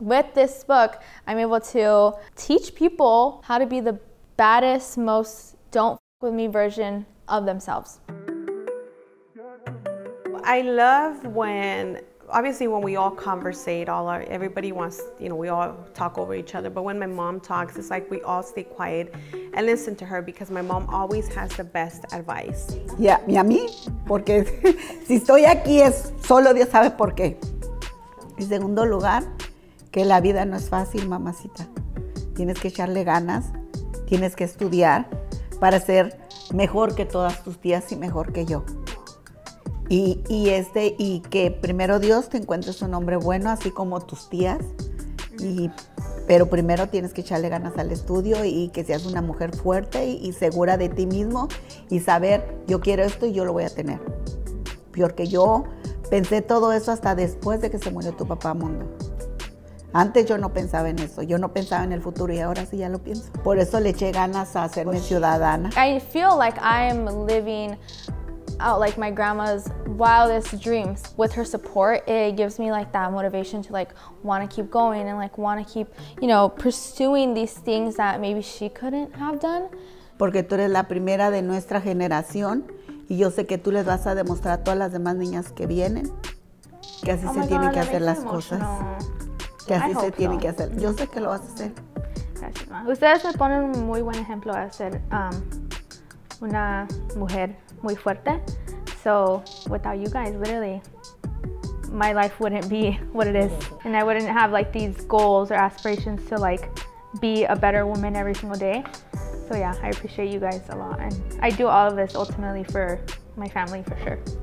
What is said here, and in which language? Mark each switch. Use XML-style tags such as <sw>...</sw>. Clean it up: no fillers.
<en>With this book, I'm able to teach people how to be the baddest, most don't f*** with me version of themselves. I love when... Obviously, when we all conversate, everybody wants, you know, we all talk over each other. But when my mom talks, it's like we all stay quiet and listen to her because my mom always has the best advice.</en> <es>Yeah, y a mí, porque si estoy aquí es solo Dios sabe por qué. Y segundo lugar, que la vida no es fácil, mamacita. Tienes que echarle ganas, tienes que estudiar para ser mejor que todas tus tías y mejor que yo. Y que primero Dios te encuentres un hombre bueno, así como tus tías. Y, pero primero tienes que echarle ganas al estudio y que seas una mujer fuerte y segura de ti mismo y saber, yo quiero esto y yo lo voy a tener. Porque yo pensé todo eso hasta después de que se murió tu papá, Mundo. Antes yo no pensaba en eso. Yo no pensaba en el futuro y ahora sí ya lo pienso. Por eso le eché ganas a hacerme ciudadana.</es> <en>I feel like I'm living out like my grandma's wildest dreams. With her support, it gives me like that motivation to like want to keep going and like want to keep, you know, pursuing these things that maybe she couldn't have done.</en> <es>Porque tú eres la primera de nuestra generación y yo sé que tú les vas a demostrar a todas las demás niñas que vienen que así se tienen que hacer las cosas. Que así se tienen que hacer. Yo sé que lo vas a hacer. Gracias, ma. Ustedes me ponen un muy buen ejemplo de ser una mujer muy fuerte.</es> <en>So without you guys, literally, my life wouldn't be what it is. And I wouldn't have like these goals or aspirations to like be a better woman every single day. So yeah, I appreciate you guys a lot. And I do all of this ultimately for my family for sure.</en>